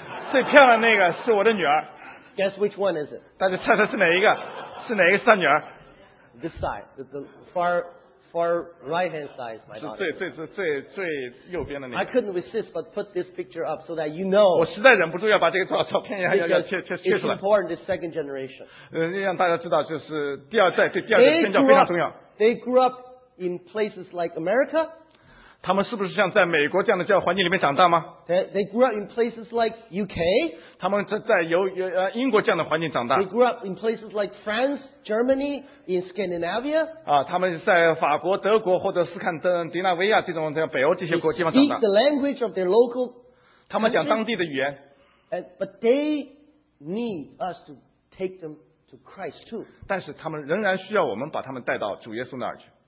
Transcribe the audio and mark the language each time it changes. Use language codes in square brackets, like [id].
[zh] 最漂亮的那个是我的女儿。 [en] Guess which one is it? [zh] 大家猜猜是哪一个？是哪一个是她女儿 [en] ？This side, the far right hand side is my daughter. [zh] 是最右边的那个。 [en] I couldn't resist but put this picture up so that you know. [zh] 我实在忍不住要把这个照片要切出来。 [en] It's important to second generation. [zh] 让大家知道就是第二代对第二代宣教非常重要。 [en] They grew up in places like America. [zh] 他们是不是像在美国这样的教育环境里面长大吗 [en] ？They grew up in places like UK. [zh] 他们在英国这样的环境长大。 [en] They grew up in places like France, Germany, in Scandinavia. [zh] 啊，他们在法国、德国或者斯堪的纳维亚这种北欧这些国地方长大。 [en] They speak the language of their local. [zh] 他们讲当地的语言。 [en] But they need us to take them to Christ too. [zh] 但是他们仍然需要我们把他们带到主耶稣那儿去。